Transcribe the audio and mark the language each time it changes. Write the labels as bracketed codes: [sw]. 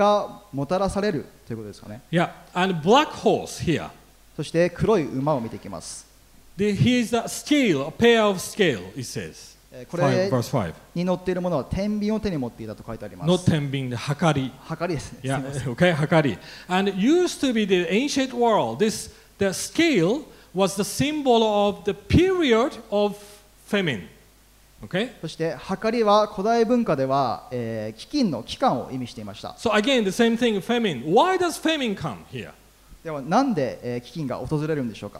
[ja] どのようなジェネレーションにあっても場所においても災いがもたらされるということですかね。 [en] Yeah, and black horse here. [ja] そして黒い馬を見ていきます。 [en] He's a scale, a pair of scale, it says. [ja] これに乗っているものは天秤を手に持っていたと書いてあります。 Not 天秤, 秤り。秤りですね。 [en] Yeah, okay, 秤り。 And it used to be the ancient world. The scale was the symbol of the period of famine. Okay. [ja] そして秤は古代文化では飢饉の期間を意味していました。 [en] So again, the same thing, famine. Why does famine come here? [ja] ではなんで飢饉が訪れるんでしょうか?